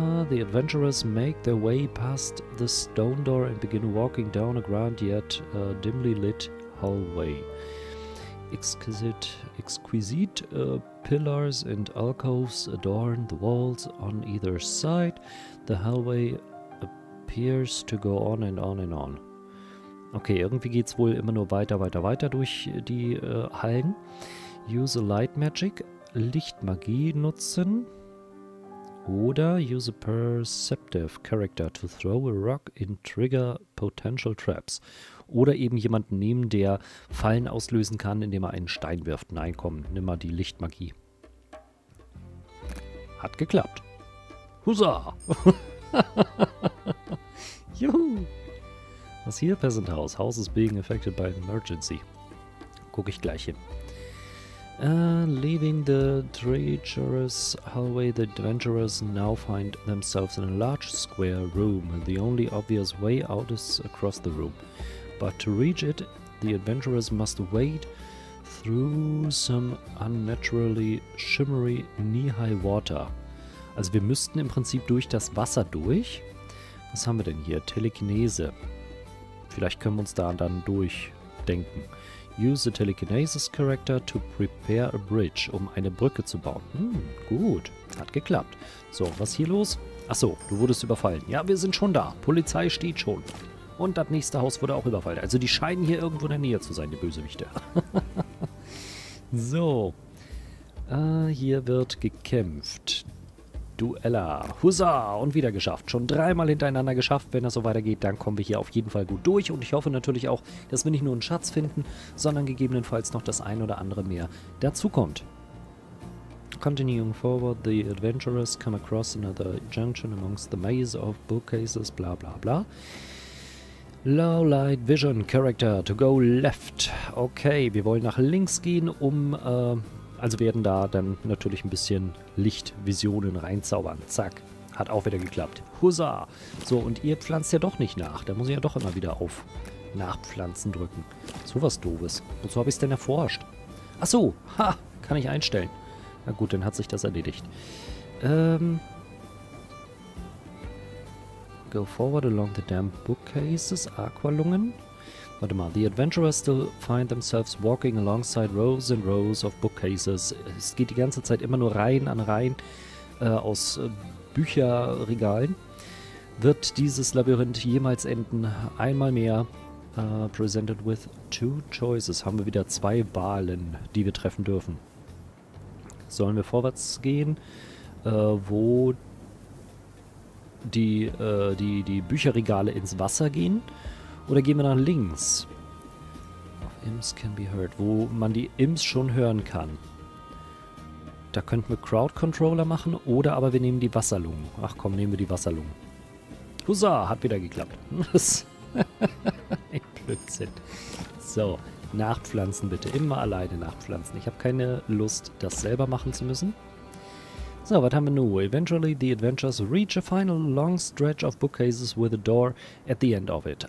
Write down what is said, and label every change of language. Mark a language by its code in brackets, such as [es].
[en] The adventurers make their way past the stone door and begin walking down a grand yet dimly lit hallway. Exquisite pillars and alcoves adorn the walls on either side. The hallway appears to go on and on and on. [de] Okay, irgendwie geht's wohl immer nur weiter, weiter, weiter durch die Hallen. [en] Use a light magic. [de] Lichtmagie nutzen. Oder [en] use a perceptive character to throw a rock in trigger potential traps. [de] Oder eben jemanden nehmen, der Fallen auslösen kann, indem er einen Stein wirft. Nein, komm, nimm mal die Lichtmagie. Hat geklappt. Husa! Juhu! Was hier? Peasant House. House is being affected by an emergency. Guck ich gleich hin. [en] Leaving the treacherous hallway, the adventurers now find themselves in a large square room. The only obvious way out is across the room. But to reach it, the adventurers must wade through some unnaturally shimmery knee-high water. [de] Also wir müssten im Prinzip durch das Wasser durch. Was haben wir denn hier? Telekinese. Vielleicht können wir uns da dann durchdenken. [en] Use the telekinesis character to prepare a bridge, [de] um eine Brücke zu bauen. Hm, gut. Hat geklappt. So, was hier los? Achso, du wurdest überfallen. Ja, wir sind schon da. Polizei steht schon. Und das nächste Haus wurde auch überfallen. Also die scheinen hier irgendwo in der Nähe zu sein, die Bösewichte. So. Hier wird gekämpft. Duella. Huzza! Und wieder geschafft. Schon dreimal hintereinander geschafft. Wenn das so weitergeht, dann kommen wir hier auf jeden Fall gut durch. Und ich hoffe natürlich auch, dass wir nicht nur einen Schatz finden, sondern gegebenenfalls noch das ein oder andere mehr dazukommt. [en] Continuing forward, the adventurers come across another junction amongst the maze of bookcases, bla bla bla. Low light vision character to go left. [de] Okay, wir wollen nach links gehen, um... Also werden da dann natürlich ein bisschen Lichtvisionen reinzaubern. Zack, hat auch wieder geklappt. Huzza! So, und ihr pflanzt ja doch nicht nach. Da muss ich ja doch immer wieder auf Nachpflanzen drücken. So was Doofes. Wozu habe ich es denn erforscht? Ach so, ha, kann ich einstellen. Na gut, dann hat sich das erledigt. [en] Go forward along the damp bookcases, Aqualungen. [de] Warte mal, [en] the adventurers still find themselves walking alongside rows and rows of bookcases. [de] Es geht die ganze Zeit immer nur Reihen an Reihen aus Bücherregalen. Wird dieses Labyrinth jemals enden? Einmal mehr. [en] Presented with two choices. [de] Haben wir wieder zwei Wahlen, die wir treffen dürfen. Sollen wir vorwärts gehen, wo die Bücherregale ins Wasser gehen? Oder gehen wir nach links? Auf [en] Imps can be heard. [de] Wo man die Imps schon hören kann. Da könnten wir Crowd Controller machen. Oder aber wir nehmen die Wasserlungen. Ach komm, nehmen wir die Wasserlungen. Huzza, hat wieder geklappt. Ein Blödsinn. So, nachpflanzen bitte. Immer alleine nachpflanzen. Ich habe keine Lust, das selber machen zu müssen. [en] So, what have we now? Eventually the adventurers reach a final long stretch of bookcases with a door at the end of it.